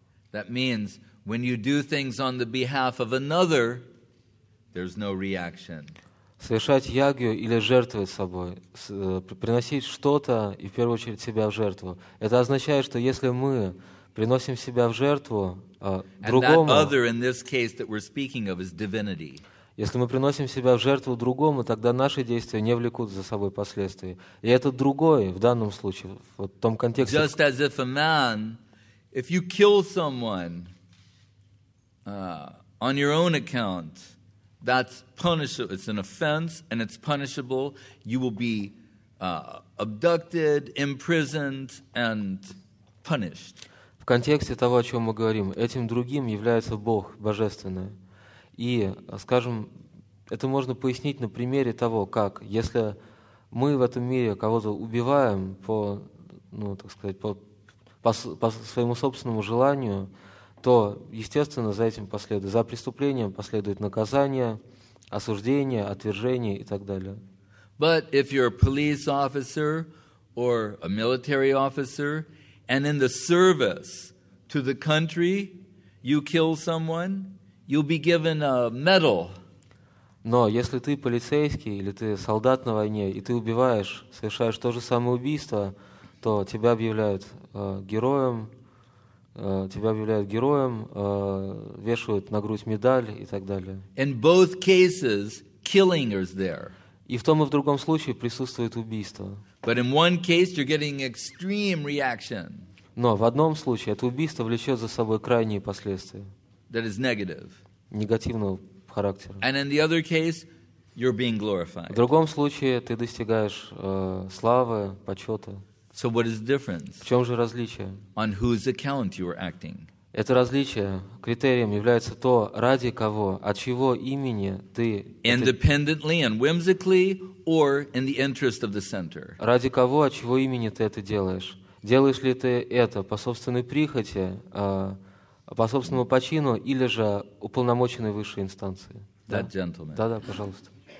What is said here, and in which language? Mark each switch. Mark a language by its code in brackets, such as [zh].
[en] That means when you do things on the behalf of another, there's no reaction. [ru] Совершать ягью или жертвовать собой, приносить что-то и в первую очередь себя в жертву. Это означает, что если мы приносим себя в жертву другому, [en] and that other in this case that we're speaking of is divinity. [ru] Если мы приносим себя в жертву другому, тогда наши действия не влекут за собой последствий. И этот другой, в данном случае, в том контексте... [en] Just as if a man, if you kill someone on your own account, that's punishable, it's an offense, and it's punishable, you will be abducted, imprisoned, and punished. [ru] В контексте того, о чем мы говорим, этим другим является Бог Божественный. И, скажем, это можно пояснить на примере того, как, если мы в этом мире кого-то убиваем по, ну, так сказать, по своему собственному желанию, то, естественно, за этим последует, за преступлением последует наказание, осуждение, отвержение и так далее. [en] But if you're a police officer or a military officer and in the service to the country, you kill someone, you'll be given a medal. [ru] Но если ты полицейский или ты солдат на войне и ты убиваешь, совершаешь то же самое убийство, то тебя объявляют героем, вешают на грудь медаль и так далее. [en] In both cases, killing is there. [ru] И в том и в другом случае присутствует убийство. [en] But in one case, you're getting extreme reaction. [ru] Но в одном случае это убийство влечет за собой крайние последствия. [en] That is negative. [ru] Негативного характера. [en] And in the other case, you're being glorified. [ru] В другом случае ты достигаешь славы, почета. [en] So what is the difference? [ru] В чем же различие? [en] On whose account you are acting? [ru] Это различие, критерием является то, ради кого, от чьего имени ты. [en] Independently and whimsically, or in the interest of the center. [ru] Ради кого, от чьего имени ты это делаешь? Делаешь ли ты это по собственной прихоти? По собственному почину или же уполномоченной высшей инстанции. Да, джентльмен. Да, пожалуйста.